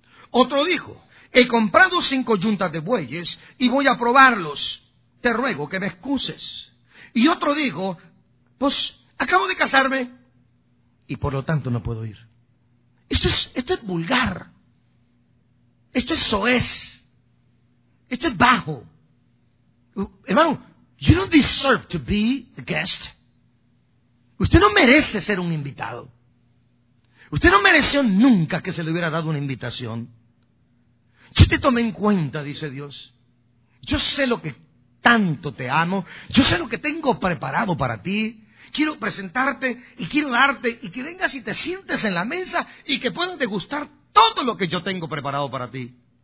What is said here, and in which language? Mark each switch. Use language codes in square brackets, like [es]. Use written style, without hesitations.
[es] Otro dijo, he comprado 5 yuntas de bueyes y voy a probarlos, te ruego que me excuses. Y otro dijo, pues acabo de casarme y por lo tanto no puedo ir. Esto es vulgar, esto es soez, esto es bajo. [en] Hermano, you don't deserve to be a guest. [es] Usted no merece ser un invitado. Usted no mereció nunca que se le hubiera dado una invitación. Yo te tomé en cuenta, dice Dios. Yo sé lo que tanto te amo. Yo sé lo que tengo preparado para ti. Quiero presentarte y quiero darte y que vengas y te sientes en la mesa y que puedas degustar todo lo que yo tengo preparado para ti.